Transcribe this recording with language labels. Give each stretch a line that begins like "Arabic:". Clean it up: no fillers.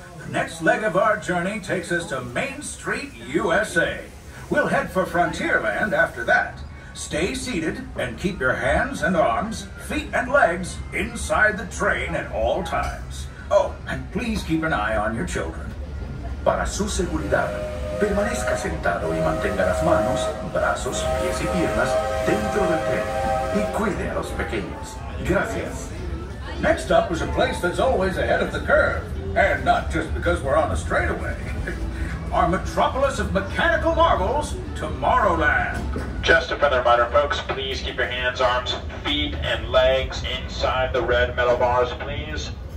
English: The next leg of our journey takes us to Main Street, USA. We'll head for Frontierland after that. Stay seated and keep your hands and arms, feet and legs inside the train at all times. Oh, and please keep an eye on your children.
Spanish: Para su seguridad, permanezca sentado y mantenga las manos, brazos, pies y piernas dentro del tren. Y cuide a los pequeños. Gracias.
English: Next up is a place that's always ahead of the curve. And not just because we're on a straightaway. Our metropolis of mechanical marvels, Tomorrowland. Just a friendly reminder, folks, please keep your hands, arms, feet, and legs inside the red metal bars, please.